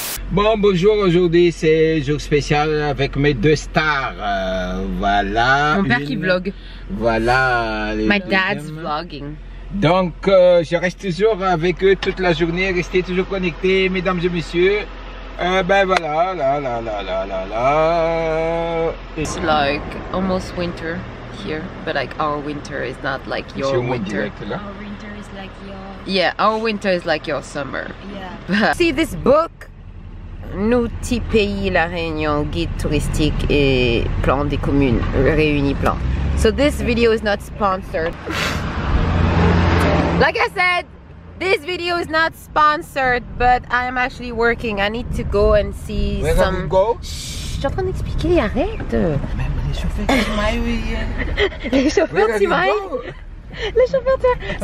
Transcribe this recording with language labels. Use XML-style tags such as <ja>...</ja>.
<fr>Bon, bonjour, aujourd'hui c'est jour spécial avec mes deux stars. Voilà. Mon père qui vlog. Voilà.</fr> <en>My dad's vlogging.</en> <fr>Donc, je reste toujours avec eux toute la journée, restez toujours connectés, mesdames et messieurs. Ben voilà, là.</fr> <en>It's like almost winter here, but like our winter is not like your winter.</en> <fr>Direct, là.</fr> <en>Our winter is like your... Yeah, our winter is like your summer. Yeah. See this book?</en> <fr>Nous, petit pays, La Réunion, guide touristique et plan des communes, réunis plan.</fr> <en>So this video is not sponsored. Like I said, this video is not sponsored, but I am actually working. I need to go and see where some... Where do you go?</en> <fr>Shhh, je suis en train d'expliquer, arrête! Mais les chauffeurs qui m'aillent... Les chauffeurs qui m'aillent...</fr>